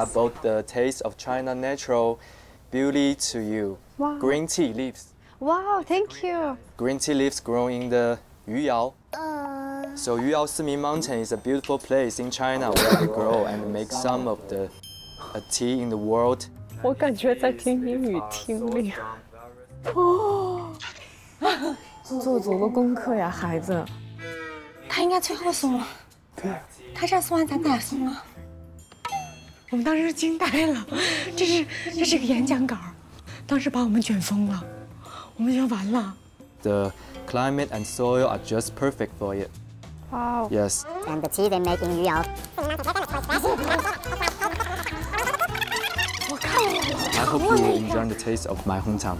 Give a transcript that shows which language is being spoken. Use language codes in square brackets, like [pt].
[en] about the taste of China natural beauty to you. Wow. Green tea leaves. Wow, thank you. Green tea leaves grow in the Yuyao. So Yuyao Simi Mountain is a beautiful place in China where I grow and make some of the tea in the world. [zh] 我感觉在听英语听力，哦，做足了功课呀，孩子。他应该最后送了。对。他这送完，咱俩送了。我们当时惊呆了，这是个演讲稿，当时把我们卷疯了，我们就完了。 [en] The climate and soil are just perfect for it. Wow. Yes. And the tea they make in Yuyao. I hope you will enjoy the taste of my hometown.